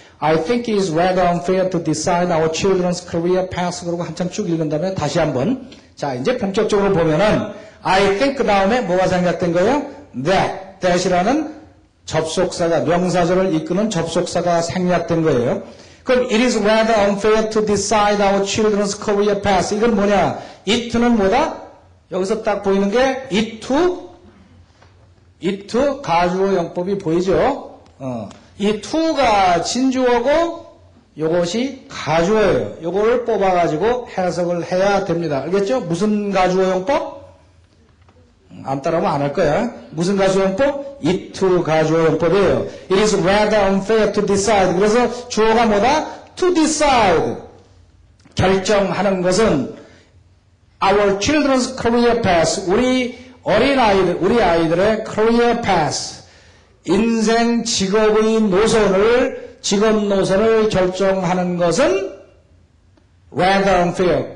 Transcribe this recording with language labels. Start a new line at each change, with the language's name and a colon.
English: I think it is rather unfair to decide our children's career paths
Korean: 그러고 한참 쭉 읽은 다음에 다시 한번 자 이제 본격적으로 보면은
English: I think
Korean: 그 다음에 뭐가 생각된 거예요? That이라는 접속사가, 명사절을 이끄는 접속사가 생략된 거예요.
English: 그럼 it is rather unfair to decide our children's career paths.
Korean: 이건 뭐냐? it는 뭐다? 여기서 딱 보이는 게 it to 가주어 영법이 보이죠? 이 to가 진주어고 이것이 가주어예요. 이거를 뽑아가지고 해석을 해야 됩니다. 알겠죠? 무슨 가주어 영법? 안 따라오면 안 할 거야. 무슨 가주어 영법? It to 가주어 영법이에요.
English: It is rather unfair to decide.
Korean: 그래서 주어가 뭐다?
English: To decide.
Korean: 결정하는 것은
English: our children's career path.
Korean: 우리 어린아이들, 우리 아이들의 career path. 인생 직업의 노선을, 직업 노선을 결정하는 것은
English: rather unfair.